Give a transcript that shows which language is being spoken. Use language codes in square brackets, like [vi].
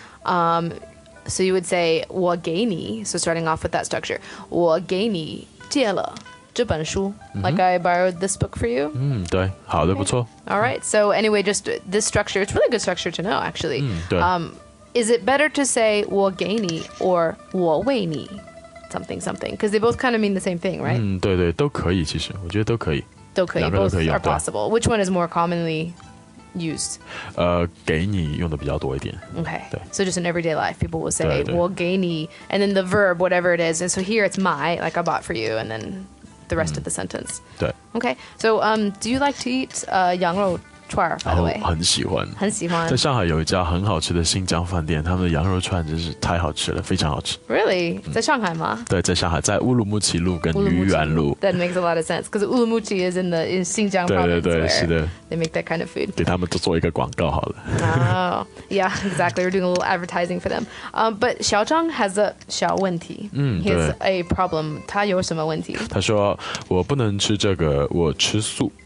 [en] So you would say, 我给你, so starting off with that structure, [zh] 我给你借了这本书, [en] mm-hmm. like I borrowed this book for you. [zh] 嗯，对，好的，不错。 [en] All right, so anyway, just this structure, it's really a good structure to know, actually. [zh] 嗯，对。 [en] Is it better to say, 我给你, or 我为你, something, something? Because they both kind of mean the same thing, right? [zh] 嗯，对对，都可以，其实，我觉得都可以。都可以，两个都可以用， [en] both are possible. Which one is more commonly... used [zh] 给你用的比较多一点 [en] okay [zh] 对 [en] so just in everyday life people will say [zh] 我给你 [en] and then the verb whatever it is and so here it's my like I bought for you and then the rest、嗯、of the sentence [zh] 对 [en] okay so do you like to eat 羊肉串 by the way [zh] 很喜欢很喜欢在上海有一家很好吃的新疆饭店他们的羊肉串真是太好吃了非常好吃 really、嗯、在上海吗对在上海在乌鲁木齐路跟愚园路 [en] that makes a lot of sense because 乌鲁木齐 is in the in 新疆 [zh] 对对对是的 [en] They make that kind of food. [zh] 给他们做一个广告好了。 [en] Oh, yeah, exactly. We're doing a little advertising for them. But 小张 has a 小问题。 [zh] 嗯，对。 [en] He has a problem. [zh] 他有什么问题？他说我不能吃这个，我吃素。